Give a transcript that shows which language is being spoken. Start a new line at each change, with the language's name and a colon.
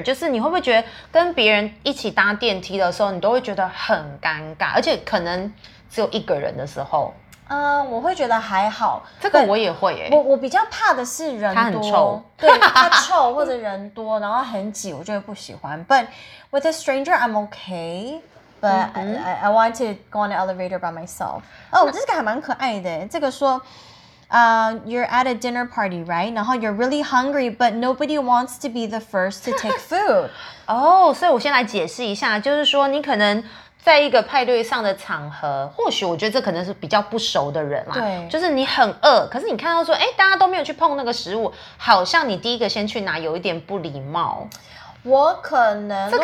Chinese: 就是你会不会觉得跟别人一起搭电梯的时候，你都会觉得很尴尬，而且可能只有一个人的时候。我会觉得还好。这个我也会耶。我比较怕的是人多。他很臭。对，他臭或者人多，然后很挤，我就会不喜欢。
English: But with a stranger, I'm okay. But、嗯、I want to go on the elevator by myself.
Chinese: 这个还蛮可爱的。这个说
English: you're at a dinner party, right? 然后 you're really hungry, but nobody wants to be the first to take food.
Chinese: 所以我先来解释一下，就是说你可能在一个派对上的场合，或许我觉得这可能是比较不熟的人啦。对，就是你很饿，可是你看到说，哎，大家都没有去碰那个食物，好像你第一个先去拿，有一点不礼貌。我可能这个